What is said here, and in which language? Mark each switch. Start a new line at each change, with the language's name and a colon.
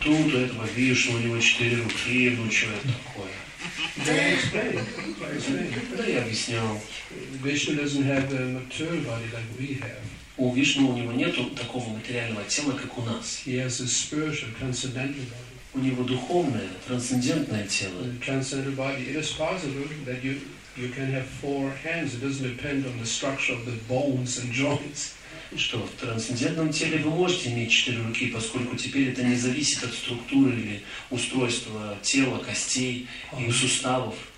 Russian: Тут у этого Вишну, у него четыре руки, ну что это такое? Да, я объяснял.
English: Vishnu doesn't have a material body like we have.
Russian: У Вишну, у него нету такого материального тела, как у нас.
English: He has a spiritual, transcendental body.
Russian: У него духовное, трансцендентное тело.
English: Transcendental body. It is possible that you can have four hands. It doesn't depend on the structure of the bones and joints.
Russian: Что в трансцендентном теле вы можете иметь четыре руки, поскольку теперь это не зависит от структуры или устройства тела, костей и суставов.